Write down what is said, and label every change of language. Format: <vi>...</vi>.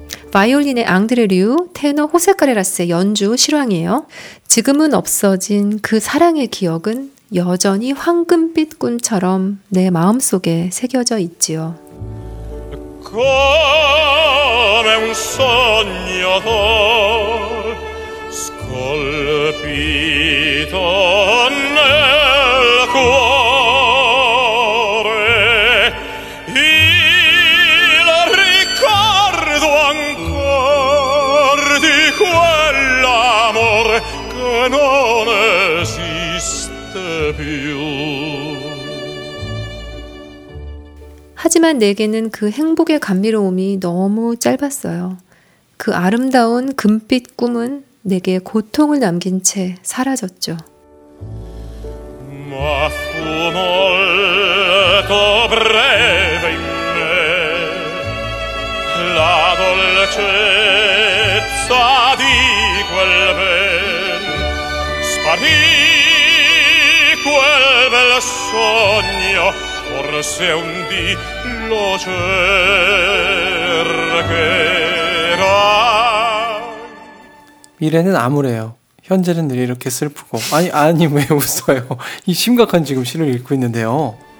<ko>바이올린의 앙드레 류, 테너 호세 카레라스의 연주 실황이에요. 지금은 없어진 그 사랑의 기억은 여전히 황금빛 꿈처럼 내 마음속에 새겨져 있지요.</ko> <it>Come un sognatore scolpito nel cuore il ricordo ancor di quell'amore che non esiste più.</it> <ko>하지만 내게는 그 행복의 감미로움이 너무 짧았어요. 그 아름다운 금빛 꿈은 내게 고통을 남긴 채 사라졌죠.</ko> <it>Ma fu molto breve in me la dolcezza di quel ben sparì quel bel sogno forse un dì lo cercherà.</it> <ko>미래는 암울해요. 현재는 늘 이렇게 슬프고. 아니 왜 웃어요? 이 심각한 지금 시를 읽고 있는데요.</ko>